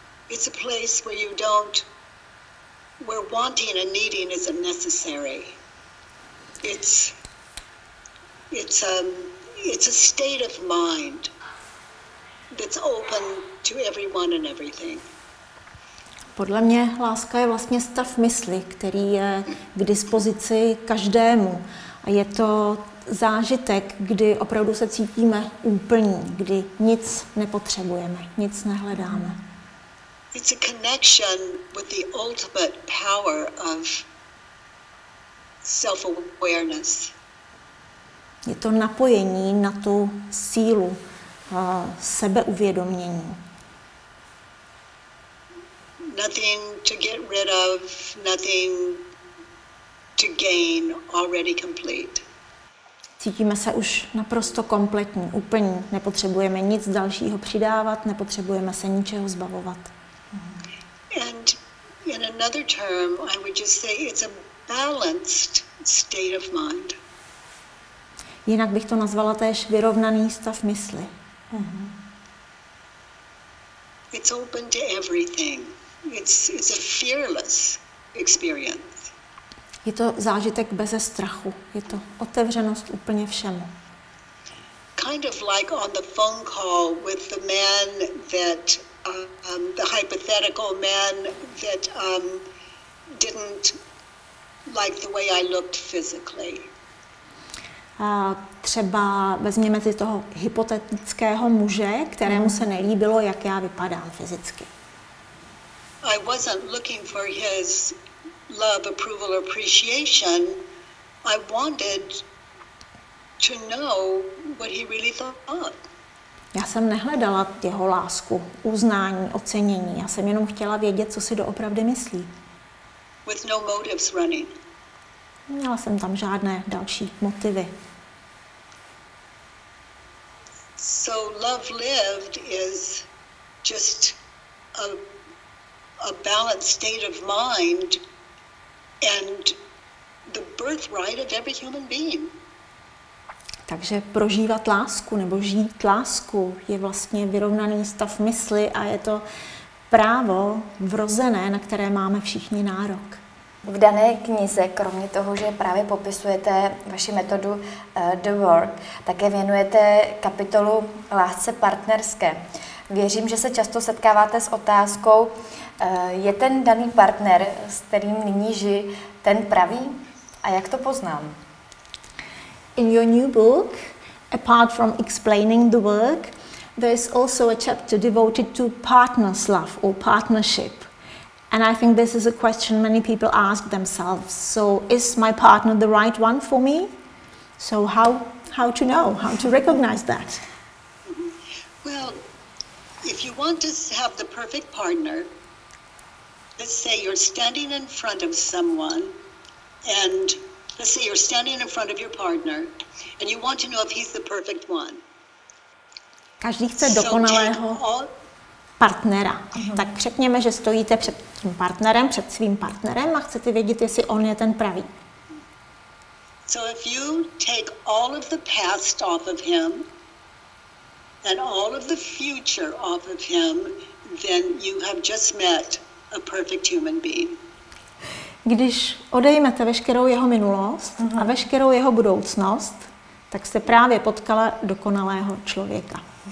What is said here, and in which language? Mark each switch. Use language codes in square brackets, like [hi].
[en] It's a place where you don't, where wanting and needing isn't necessary. It's a state of mind that's open to everyone and everything. [cs] Podle mě láska je vlastně stav mysli, který je k dispozici každému. A je to zážitek, kdy opravdu se cítíme úplní, kdy nic nepotřebujeme, nic nehledáme. [en] It's a connection with the ultimate power of self-awareness. [cs] Je to napojení na tu sílu sebeuvědomění. [en] Nothing to get rid of, nothing to gain, already complete. [cs] Cítíme se už naprosto kompletní, úplně. Nepotřebujeme nic dalšího přidávat, nepotřebujeme se ničeho zbavovat. [en] And in another term, I would just say it's a balanced state of mind. [cs] Jinak bych to nazvala též vyrovnaný stav mysli. [en] It's open to everything. It's a fearless experience. [cs] Je to zážitek beze strachu. Je to otevřenost úplně všemu. [en] Kind of like on the phone call with the man that the hypothetical man that didn't like the way I looked physically. [cs] Třeba vezměme si toho hypotetického muže, kterému se nelíbilo, jak já vypadám fyzicky. [en] I wasn't looking for his love, approval, appreciation. I wanted to know what he really thought. [cs] Já jsem nehledala jeho lásku, uznání, ocenění. Já jsem jenom chtěla vědět, co si doopravdy myslí. [en] With no motives running. [cs] Měla jsem tam žádné další motivy. [en] So love lived is just a balanced state of mind and the birthright of every human being. [cs] Takže prožívat lásku nebo žít lásku je vlastně vyrovnaný stav mysli a je to právo vrozené, na které máme všichni nárok. V dané knize, kromě toho, že právě popisujete vaši metodu The Work, také věnujete kapitolu lásce partnerské. Věřím, že se často setkáváte s otázkou, je ten daný partner, s kterým nyní žiji, ten pravý? A jak to poznám? [en] In your new book, apart from explaining the work, there is also a chapter devoted to partner's love or partnership. And I think this is a question many people ask themselves. So, is my partner the right one for me? So, how to know, how to recognize that? Well, if you want to have the perfect partner, let's say you're standing in front of someone, and let's say you're standing in front of your partner, and you want to know if he's the perfect one. [cs] Každý chce dokonalého partnera. Uh-huh. Tak řekněme, že stojíte před tím partnerem, před svým partnerem a chcete vědět, jestli on je ten pravý. [en] So if you take all of the past off of him and all of the future off of him, then you have just met a perfect human being. [cs] Když odejmete veškerou jeho minulost uh-huh. a veškerou jeho budoucnost, tak jste právě potkala dokonalého člověka.